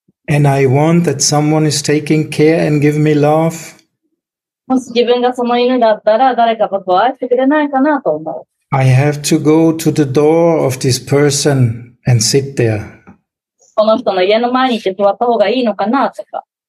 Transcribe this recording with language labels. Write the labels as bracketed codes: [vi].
[en] And I want that someone is taking care and give me love, [ja] もし自分がその犬だったら誰か僕を愛してくれないかなと思う。 [en] I have to go to the door of this person and sit there. [ja] この人の家の前に行って座った方がいいのかなとか。